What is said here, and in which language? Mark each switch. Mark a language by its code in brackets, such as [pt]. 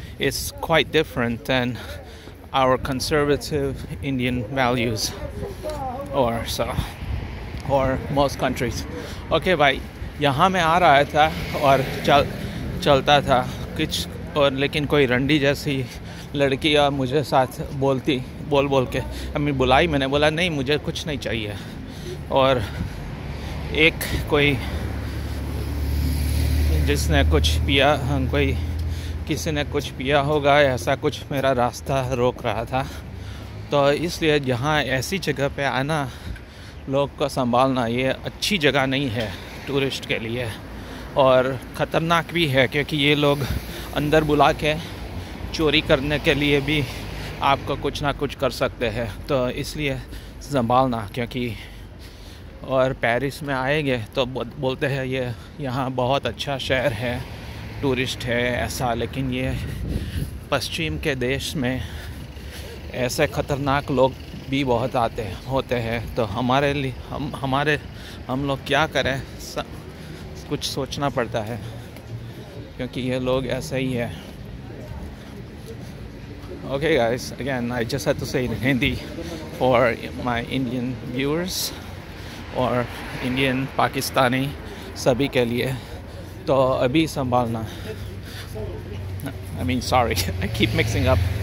[en] It's quite different than our conservative Indian values, or most countries. Okay, bhai. [hi] Yahan main aa raha tha aur chalta tha kuch aur, lekin koi randi jaisi ladki aur mujhe saath bolti बोल के अम्मी बुलाई. मैंने बोला नहीं, मुझे कुछ नहीं चाहिए. और एक कोई जिसने कुछ पिया, कोई किसी ने कुछ पिया होगा, ऐसा कुछ मेरा रास्ता रोक रहा था. तो इसलिए यहाँ ऐसी जगह पे आना, लोग को संभालना, ये अच्छी जगह नहीं है टूरिस्ट के लिए, और ख़तरनाक भी है, क्योंकि ये लोग अंदर बुला के चोरी करने के लिए भी आपको कुछ ना कुछ कर सकते हैं. तो इसलिए संभालना, क्योंकि और पेरिस में आएंगे तो बोलते हैं ये यहाँ बहुत अच्छा शहर है, टूरिस्ट है ऐसा, लेकिन ये पश्चिम के देश में ऐसे ख़तरनाक लोग भी बहुत आते होते हैं. तो हमारे लिए हम लोग क्या करें, कुछ सोचना पड़ता है, क्योंकि ये लोग ऐसे ही है. [en] Okay guys, again, I just had to say it in Hindi for my Indian viewers or Indian Pakistani, [hi] sabhi ke liye. To abhi sambhalna. [en] I mean, sorry, I keep mixing up.